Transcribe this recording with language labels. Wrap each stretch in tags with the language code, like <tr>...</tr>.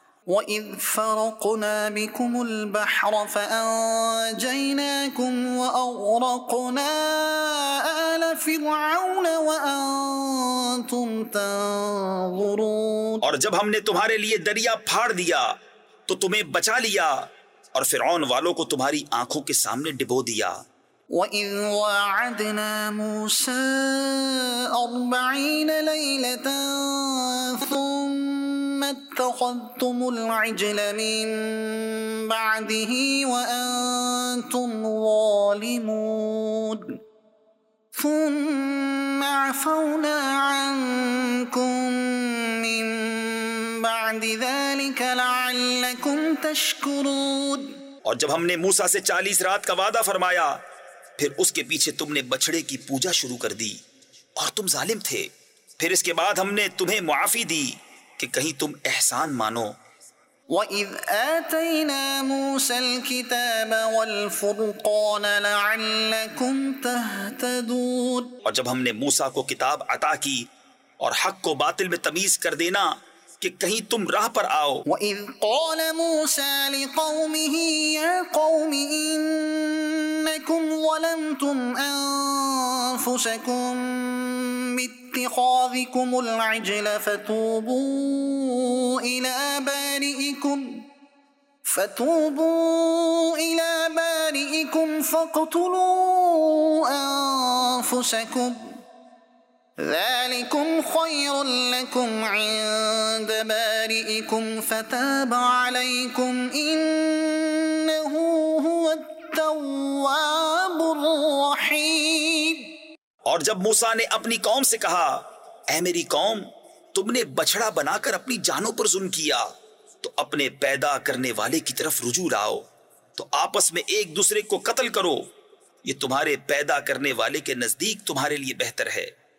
<ar>وَإِذْ فَرَقْنَا بِكُمُ الْبَحْرَ فَأَنْجَيْنَاكُمْ وَأَغْرَقْنَا آلَ فِرْعَوْنَ وَأَنْتُمْ تَنظُرُونَ،</ar> <ur>اور جب ہم نے تمہارے لیے دریا پھاڑ دیا تو تمہیں بچا لیا اور فرعون والوں کو تمہاری آنکھوں کے سامنے ڈبو دیا۔</ur> <ar>وَإِذْ وَاعَدْنَا مُوسَىٰ 40 لَيْلَةً اتخذتم العجل من بعده وأنتم ظالمون، ثم عفونا عنكم من بعد ذلك لعلكم تشكرون،</ar> <ur>اور جب ہم نے موسیٰ سے 40 رات کا وعدہ فرمایا پھر اس کے پیچھے تم نے بچڑے کی پوجا شروع کر دی اور تم ظالم تھے، پھر اس کے بعد ہم نے تمہیں معافی دی کہ کہیں تم احسان مانو۔</ur> <ar>وَإِذْ آتَيْنَا مُوسَى الْكِتَابَ وَالْفُرْقَانَ لَعَلَّكُمْ تَهْتَدُونَ،</ar> <ur>اور جب ہم نے موسیٰ کو کتاب عطا کی اور حق کو باطل میں تمیز کر دینا کہ کہیں تم راہ پر آؤ۔</ur> <ar>وَإِذْ قَالَ مُوسَى لِقَوْمِهِ يَا قَوْمِ إِنَّكُمْ ظَلَمْتُمْ أَنفُسَكُمْ اتخاذكم العجل فتوبوا إلى بارئكم فاقتلوا أنفسكم ذلكم خير لكم عند بارئكم فتاب عليكم إنه هو التواب الرحيم۔</ar> <ur>اور جب موسیٰ نے اپنی قوم سے کہا، اے میری قوم، تم نے بچڑا بنا کر اپنی جانوں پر ظلم کیا، تو اپنے پیدا کرنے والے کی طرف رجوع لاؤ، تو آپس میں ایک دوسرے کو قتل کرو، یہ تمہارے پیدا کرنے والے کے نزدیک تمہارے لیے بہتر ہے،</ur>